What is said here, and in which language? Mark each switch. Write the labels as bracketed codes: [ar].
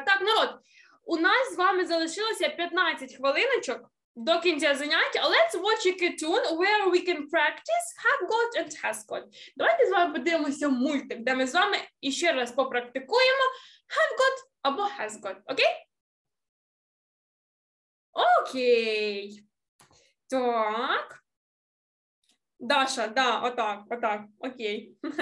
[uk] Так, народ, у нас з вами залишилося 15 хвилиночок до кінця заняття. [en] Let's watch a cartoon where we can practice have got and has got. [uk] Давайте з вами подивимося мультик, де ми з вами іще раз попрактикуємо have got або has got, окей? Окей. Так. Даша, да, отак, отак, окей.